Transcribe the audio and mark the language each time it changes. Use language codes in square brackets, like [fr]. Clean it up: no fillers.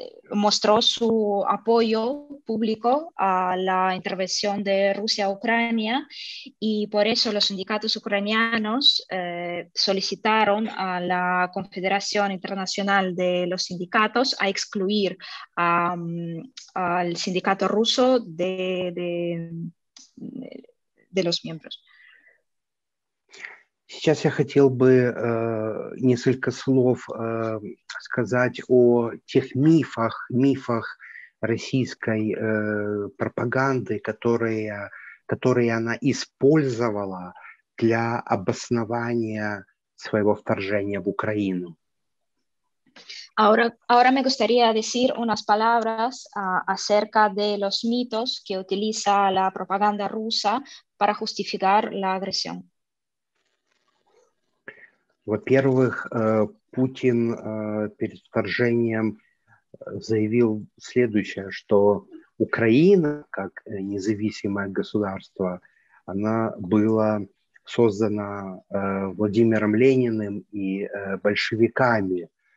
[es] mostró su apoyo público a la intervención de Rusia a Ucrania y por eso los sindicatos ucranianos solicitaron a la Confederación Internacional de los Sindicatos a excluir al sindicato ruso de los miembros. [ru] Сейчас я хотел бы несколько слов сказать о тех мифах российской пропаганды, которые которые она использовала для обоснования своего вторжения в Украину. [es] Ahora, ahora me gustaría decir unas palabras acerca de los mitos que utiliza la propaganda rusa para justificar la agresión. [ru] Во-первых, Путин перед вторжением заявил следующее, что Украина, как независимое государство, она была создана Владимиром Лениным и большевиками.